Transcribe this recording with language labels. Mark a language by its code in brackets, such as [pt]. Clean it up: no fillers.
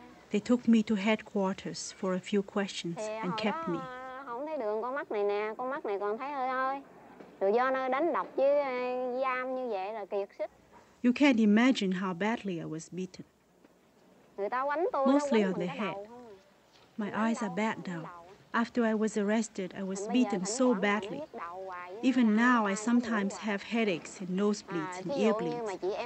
[en] They took me to headquarters for a few questions and kept me. [vi] Không thấy đường con mắt này nè, con mắt này còn thấy hơi hơi. Rồi do nó đánh đập chứ giam như vậy là kiệt sức. [en] You can't imagine how badly I was beaten. [vi] Người ta quánh tôi [en] mostly on the head. My eyes are bad now. After I was arrested, I was beaten so badly. Even now, I sometimes have headaches and nosebleeds and ear bleeds.